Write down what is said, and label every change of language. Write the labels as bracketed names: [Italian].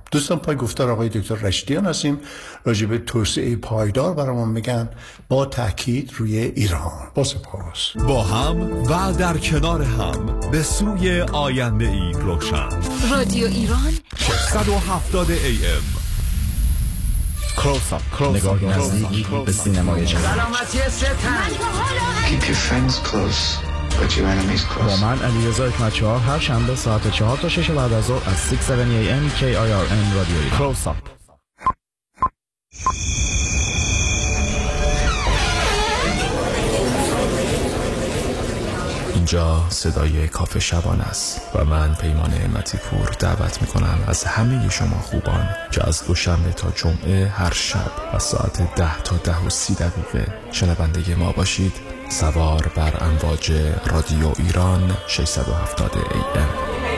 [Persian] دوستان پای گفتار آقای دکتر رشیدیان هستیم، راجع به توسعه پایدار برامون میگن با تاکید روی ایران. با سپاس. با هم و در کنار هم به سوی آینده ای روشن. رادیو ایران [English] 670 AM. Close up. [Persian] نگاه نزدیکی به سینمای جهان. [English] Keep your friends close, but your enemies close. [Persian] با من علیرضا حکمت‌چهار هر شنبه ساعت 4 تا 6 بعد از ظهر از 670 AM KIRN رادیو ایران. [English] Close up. [Persian] اینجا صدای کافه شبان است و من پیمان همتی پور دعوت میکنم از همه شما خوبان که از دوشنبه تا جمعه هر شب و ساعت 10 تا 10:30 شنونده ما باشید، سوار بر امواج رادیو ایران 670 AM.